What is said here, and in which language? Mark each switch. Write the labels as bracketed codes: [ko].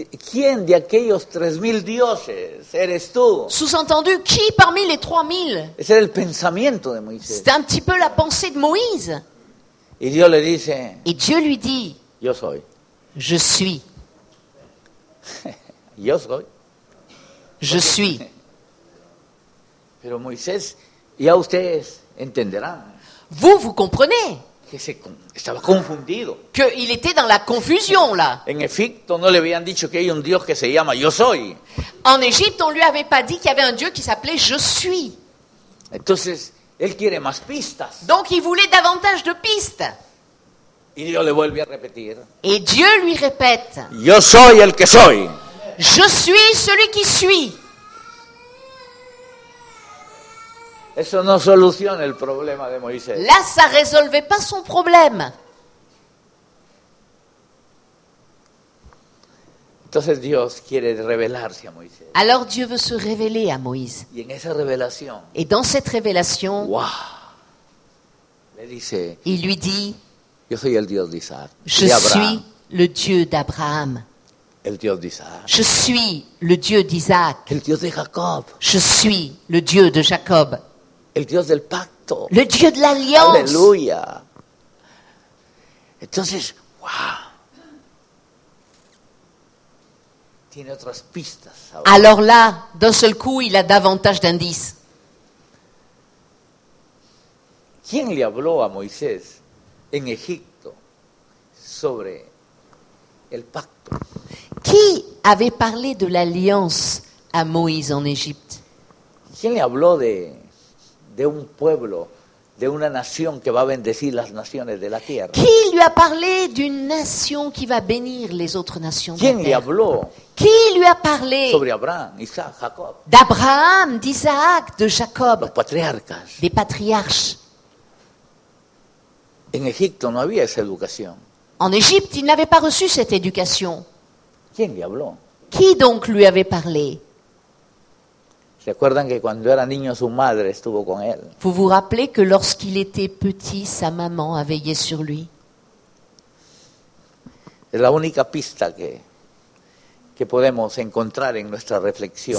[es] ¿Quién de aquellos 3000 dioses eres tú? [fr] Sous-entendu, qui parmi les 3000? C'est le [es] pensamiento [fr] de Moïse. C'est un petit peu la pensée de Moïse. [es] Y Dios le dice. [fr] Et Dieu lui dit. [es] Yo soy. [fr] Je suis. [es] Yo soy. [fr] Je suis. [es] Pero Moisés, ya ustedes entenderán. [fr] Vous, vous comprenez. [es] Que se estaba confundido. [fr] Que il était dans la confusion là. [es] En Egipto no le habían dicho que hay un Dios que se llama Yo Soy. [fr] En Égypte, on lui avait pas dit qu'il y avait un Dieu qui s'appelait Je suis. [es] Entonces, él quiere más pistas. [fr] Donc il voulait davantage de pistes. [es] Y Dios le vuelve a repetir. [fr] Et Dieu lui répète. [es] Yo soy el que soy. [fr] Je suis celui qui suis. [es] Eso no soluciona el problema de Moisés. [fr] Là, ça résolvait pas son problème. [es] Entonces Dios quiere revelarse a Moisés. [fr] Alors Dieu veut se révéler à Moïse. [es] Y en esa revelación. [fr] Et dans cette révélation. [es] Wow. Le dice. [fr] Il lui dit. [es] Yo soy el Dios de Isaac. [fr] Je suis le Dieu d'Abraham. [es] El Dios de Isaac. [fr] Je suis le Dieu d'Isaac. [es] El Dios de Jacob. [fr] Je suis le Dieu de Jacob. [es] El Dios del pacto. [fr] Le Dieu de l'alliance. [es] Aleluya. Entonces, wow. Tiene otras pistas ahora. [fr] Alors là, d'un seul coup, il a davantage d'indices. [es] ¿Quién le habló a Moisés en Egipto sobre el pacto? [fr] Qui avait parlé de l'alliance à Moïse en Égypte? [es] ¿Quién le habló de un pueblo, de una nación que va a bendecir las naciones de la tierra? [fr] Qui lui a parlé d'une nation qui va bénir les autres nations? [es] ¿Quién le habló? [fr] Qui lui a parlé? [es] Sobre Abraham, Isaac, Jacob. [fr] D'Abraham, d'Isaac, de Jacob. [es] Los patriarcas. [fr] Des patriarches. [es] En Egipto no había esa educación. [fr] En Égypte, il n'avait pas reçu cette éducation. [es] ¿Quién le habló? [fr] Qui donc lui avait parlé? [es] ¿Se acuerdan que cuando era niño su madre estuvo con él? [fr] Vous vous rappelez que lorsqu'il était petit, sa maman a veillé sur lui? [es] Es la única pista que podemos encontrar en nuestra reflexión.